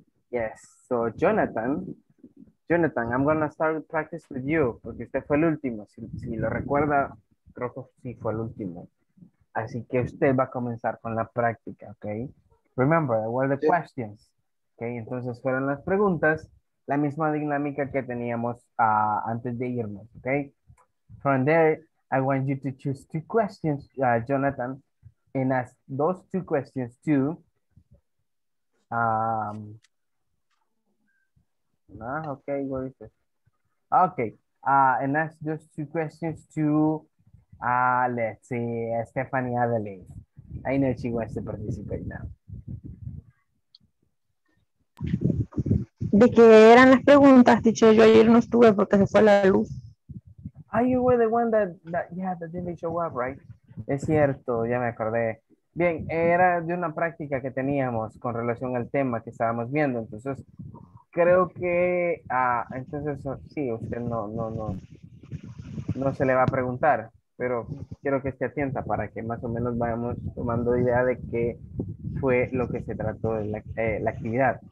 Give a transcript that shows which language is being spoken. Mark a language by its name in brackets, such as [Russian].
[English] Yes, so Jonathan, I'm gonna start the practice with you, [Spanish] porque usted fue el último. Si lo recuerda, creo que sí fue el último. Así que usted va a comenzar con la práctica, okay? [English] Remember, there were the questions. [Spanish] Okay, entonces fueron las preguntas. La misma dinámica que teníamos antes de irnos, okay? [English] From there, I want you to choose two questions, Jonathan, and ask those two questions to and ask those two questions to let's see, Stephanie Adelaide. I know she wants to participate now. [Spanish] ¿De qué eran las preguntas? Dicho yo ayer no estuve porque se fue la luz. [English] Ah, you were the one that didn't show up, right? [Spanish] Es cierto, ya me acordé. Bien, era de una práctica que teníamos con relación al tema que estábamos viendo. Entonces, creo que, sí, usted no se le va a preguntar, pero quiero que esté atenta para que más o menos vayamos tomando idea de qué fue lo que se trató de la actividad.